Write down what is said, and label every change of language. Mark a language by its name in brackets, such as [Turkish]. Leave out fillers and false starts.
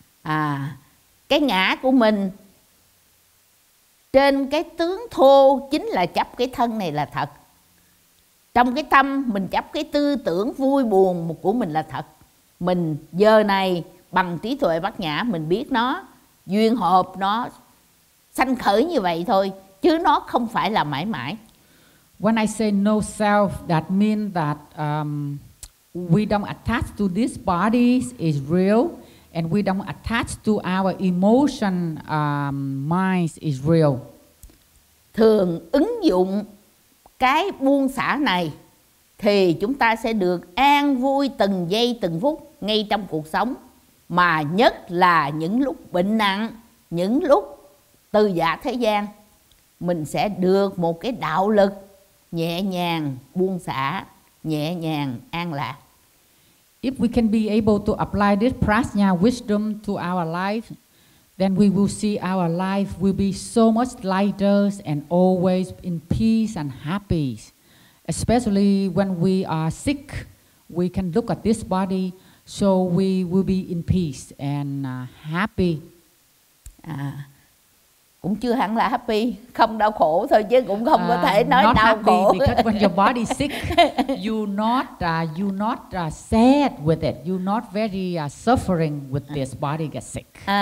[Vietnamese] À, cái ngã của mình trên cái tướng thô chính là chấp cái thân này là thật. Trong cái tâm mình chấp cái tư tưởng vui buồn của mình là thật. Mình giờ này bằng trí tuệ bát nhã mình biết nó duyên hợp, nó sanh khởi như vậy thôi, chứ nó không phải là mãi mãi. [English] When I say no self, that means that we don't attach to this body is real, and we don't attach to our emotion mind is real. [Vietnamese] Thường ứng dụng cái buông xả này thì chúng ta sẽ được an vui từng giây từng phút ngay trong cuộc sống, mà nhất là những lúc bệnh nặng, những lúc từ giả thế gian, mình sẽ được một cái đạo lực nhẹ nhàng buông xả, nhẹ nhàng an lạc. [English] If we can be able to apply this prajna wisdom to our life, then we will see our life will be so much lighter and always in peace and happy. Especially when we are sick, we can look at this body, so we will be in peace and happy. [Vietnamese] À, cũng chưa hẳn là happy, không đau khổ thôi chứ cũng không có thể nói [English] not [Vietnamese] đau [English] happy [Vietnamese] khổ. [English] Because when your body is sick, you not sad with it, you not very suffering with this body gets sick.